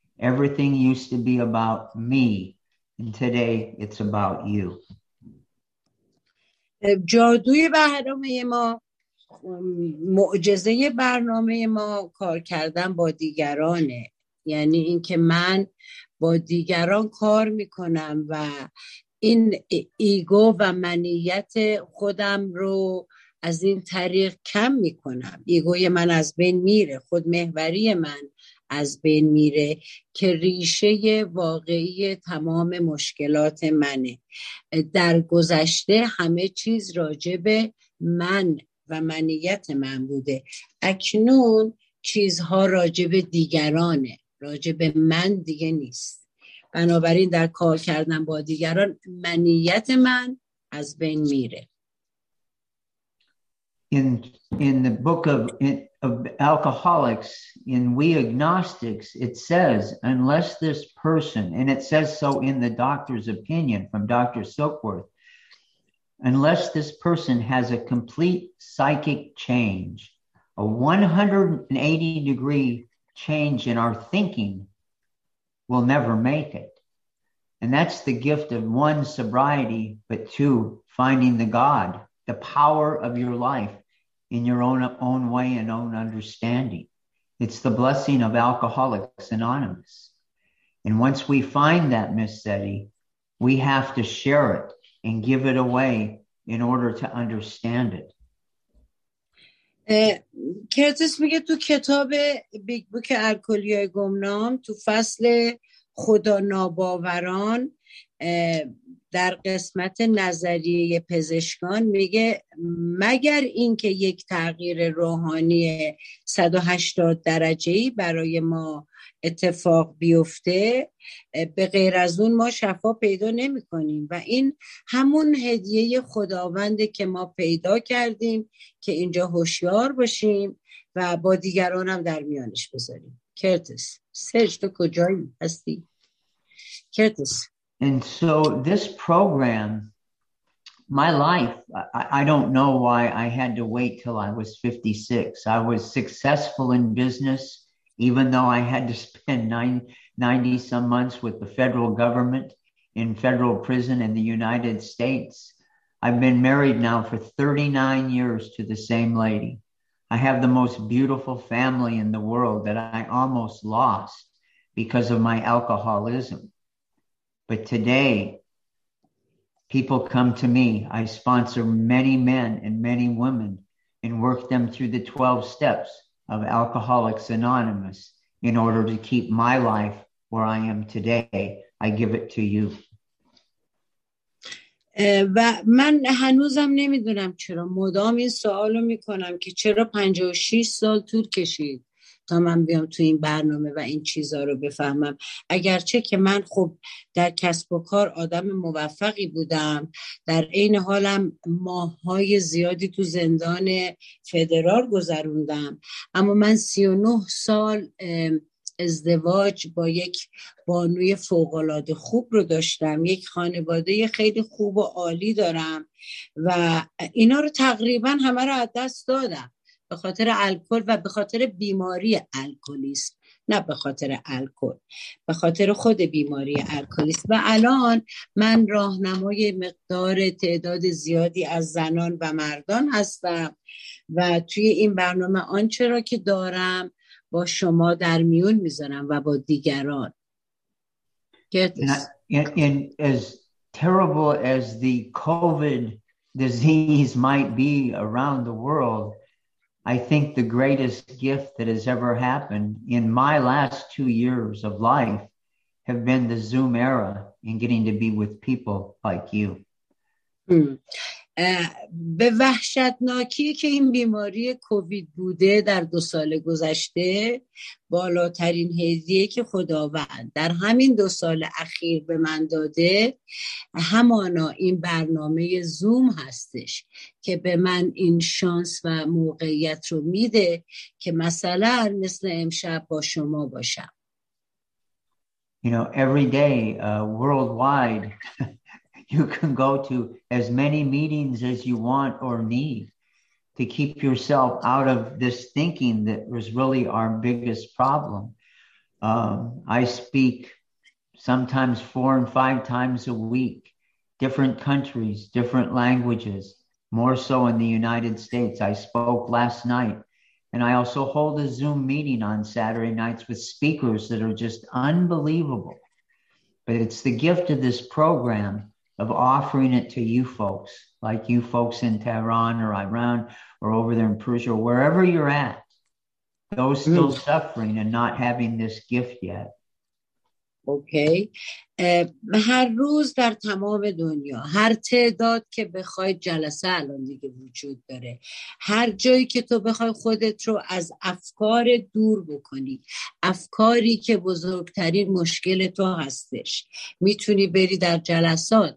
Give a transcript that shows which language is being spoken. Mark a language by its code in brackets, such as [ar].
[en] Everything used to be about me, and today it's about you. [fa] جادوی برنامه ما، معجزه برنامه ما، کار کردن با دیگرانه. یعنی اینکه من با دیگران کار میکنم و این ایگو و منیت خودم رو از این طریق کم میکنم. ایگوی من از بین میره، خودمحوری من از بین میره که ریشه واقعی تمام مشکلات منه. در گذشته همه چیز راجع به من و و منیت من بوده. اکنون چیزها راجب دیگرانه، راجب من دیگه نیست. بنابراین در کار کردن با دیگران منیت من از بین میره. [en] In the book of alcoholics, in We Agnostics, it says, unless this person, and it says so in the doctor's opinion from Dr. Silkworth, unless this person has a complete psychic change, a 180 degree change in our thinking, we'll never make it. And that's the gift of one, sobriety, but two, finding the God, the power of your life in your own way and own understanding. It's the blessing of Alcoholics Anonymous. And once we find that, Miss Seti, we have to share it and give it away in order to understand it. [fa] کرتیس میگه تو کتاب بیگ بوک الکلی های گمنام تو فصل خدا ناباوران در قسمت نظریه پزشکان میگه مگر اینکه یک تغییر روحانی 180 درجه‌ای برای ما اتفاق بیفته، به غیر از اون ما شفا پیدا نمی کنیم و این همون هدیه خداونده که ما پیدا کردیم که اینجا هوشیار باشیم و با دیگران هم در میانش بذاریم. کرتیس، سرچ تو کجایی هستی؟ کرتیس. [en] And so this program, my life, I don't know why I had to wait till I was 56. I was successful in business, even though I had to spend 90 some months with the federal government in federal prison in the United States. I've been married now for 39 years to the same lady. I have the most beautiful family in the world that I almost lost because of my alcoholism. But today, people come to me. I sponsor many men and many women and work them through the 12 steps of Alcoholics Anonymous in order to keep my life where I am today. I give it to you. [fa] و من هنوزم نمیدونم چرا مدام این سوالو میکنم که چرا 56 سال طول کشید تا من بیام تو این برنامه و این چیزا رو بفهمم، اگرچه که من خب در کسب و کار آدم موفقی بودم، در این حالم ماهای زیادی تو زندان فدرال گذروندم، اما من 39 سال ازدواج با یک بانوی فوق‌العاده خوب رو داشتم، یک خانواده خیلی خوب و عالی دارم و اینا رو تقریبا همه رو از دست دادم به خاطر الکل و به خاطر بیماری الکلیسم، نه به خاطر الکل، به خاطر خود بیماری الکلیسم. و الان من راهنمای مقدار تعداد زیادی از زنان و مردان هستم و توی این برنامه آنچه را که دارم با شما در میون میذارم و با دیگران. [en] And as terrible as the COVID disease might be around the world, I think the greatest gift that has ever happened in my last 2 years of life have been the Zoom era and getting to be with people like you. [fa] به وحشتناکی که این بیماری کووید بوده در دو سال گذشته، بالاترین هدیه که خداوند در همین دو سال اخیر به من داده همانا این برنامه زوم هستش که به من این شانس و موقعیت رو میده که مثلا مثل امشب با شما باشم. [en] You know, every day worldwide you can go to as many meetings as you want or need to keep yourself out of this thinking that was really our biggest problem. I speak sometimes 4 and 5 times a week, different countries, different languages, more so in the United States. I spoke last night, and I also hold a Zoom meeting on Saturday nights with speakers that are just unbelievable. But it's the gift of this program of offering it to you folks, like you folks in Tehran or Iran or over there in Persia, wherever you're at, those still suffering and not having this gift yet. Okay. [fa] هر روز در تمام دنیا هر تعداد که بخوای جلسه الان دیگه وجود داره، هر جایی که تو بخوای خودت رو از افکار دور بکنی، افکاری که بزرگترین مشکل تو هستش، میتونی بری در جلسات.